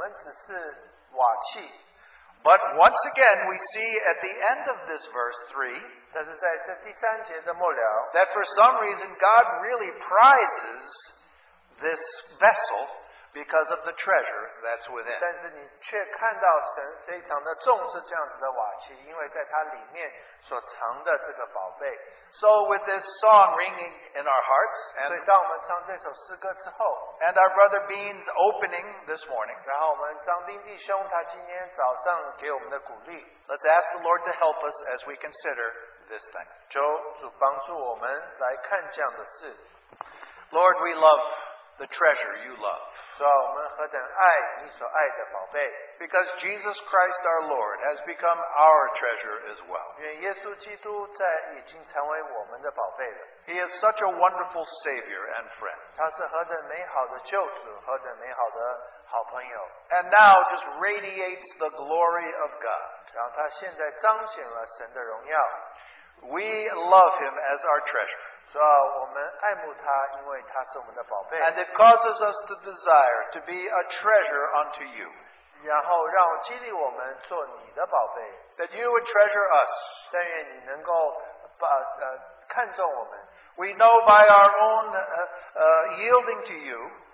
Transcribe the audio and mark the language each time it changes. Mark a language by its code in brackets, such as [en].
[zh] 所以从某个角度来看,我们只是瓦器。 [en] But once again, we see at the end of this verse 3, [zh] 但是在这第三节的末了, [en] that for some reason, God really prizes this vessel because of the treasure that's within. [zh] 但是你却看到神非常的重视这样子的瓦器, 因为在它里面所藏的这个宝贝。 [en] So with this song ringing in our hearts, and [zh] 所以当我们唱这首诗歌之后, [en] and our brother Bean's opening this morning, [zh] 然后我们张丁弟兄他今天早上给我们的鼓励, [en] let's ask the Lord to help us as we consider this thing. [zh] 求主帮助我们来看这样的事。 [en] Lord, we love the treasure you love. [zh] 主啊,我们何等爱你所爱的宝贝。 [en] Because Jesus Christ our Lord has become our treasure as well. [zh] 因为耶稣基督已经成为我们的宝贝了。 [en] He is such a wonderful Savior and friend. [zh] 他是何等美好的救主,何等美好的好朋友。 [en] And now just radiates the glory of God. [zh] 然后他现在彰显了神的荣耀。 [en] We love him as our treasure. [zh] 主啊,我们爱慕他,因为他是我们的宝贝。 [en] And it causes us to desire to be a treasure unto you. [zh] 然后让激励我们做你的宝贝。 [en] That you would treasure us. [zh] 但愿你能够看重我们。 [en] We know by our own yielding to you.